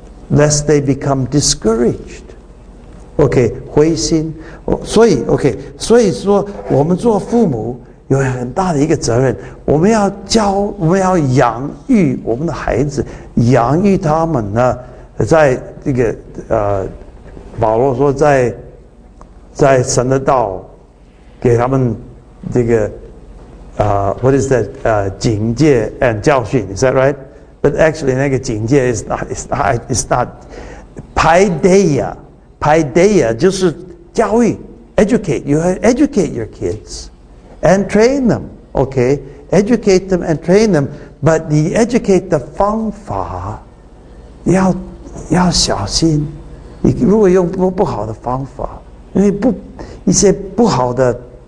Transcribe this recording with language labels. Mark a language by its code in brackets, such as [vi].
[en] Lest they become discouraged. [zh] Okay, 灰心。所以说我们做父母有很大的一个责任，我们要教，我们要养育我们的孩子，养育他们呢，在这个保罗说在神的道给他们这个 [en] what is that [zh] 警戒 and 教训， [en] is that right？ But actually [zh] 那个警戒 [en] is not paideia， paideia [zh] 就是教育， [en] educate， you have educate your kids and train them， okay， educate them and train them， but 你 educate [zh] 的方法要小心，你如果用不好的方法，因为不一些不好的